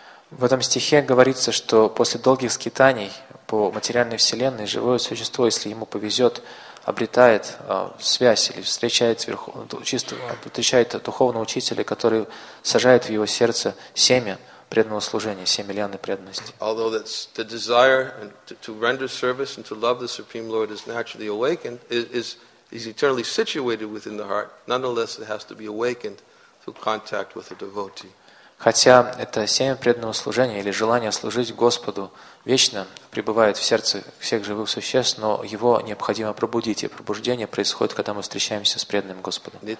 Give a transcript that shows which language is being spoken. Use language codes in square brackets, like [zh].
[ru] В этом стихе говорится, что после долгих скитаний по материальной вселенной живое существо, если ему повезет, обретает связь или встречает духовного учителя, который сажает в его сердце семя преданного служения, семя лианы преданности. [en] Although the desire to render service and to love the Supreme Lord is naturally awakened, is eternally situated within the heart, nonetheless it has to be awakened through contact with a devotee. [ru] Хотя это семя преданного служения или желание служить Господу вечно пребывает в сердце всех живых существ, но его необходимо пробудить, и пробуждение происходит, когда мы встречаемся с преданным Господом.